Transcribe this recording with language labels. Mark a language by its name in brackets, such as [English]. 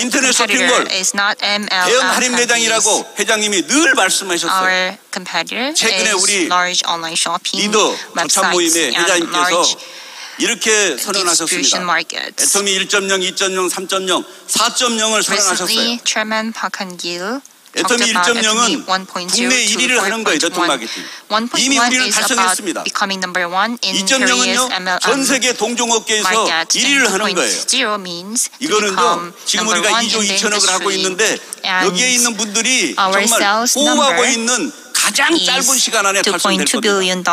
[Korean] 인터넷 쇼핑몰 대형 할인 매장이라고 회장님이 늘 말씀하셨어요. [English] Our competitor [Korean] 최근에 [English] is [Korean] 우리 [English] large online shopping [Korean] 리더 조찬 모임의 회장님께서 이렇게 선언하셨습니다. 애터미 1.0, 2.0, 3.0, 4.0을 선언하셨어요. [English] Recently, Chairman Park Han-gil [Korean] 애터미 1.0은 국내 1위를 하는 거예요. 네트워크 마케팅. 이미 우리는 달성했습니다. 2.0은요. 전 세계 동종업계에서 1위를 하는 거예요. 이거는요. 지금 우리가 2조 2천억을 하고 있는데 여기에 있는 분들이 정말 호흡하고 있는 가장 짧은 시간 안에 달성될 겁니다.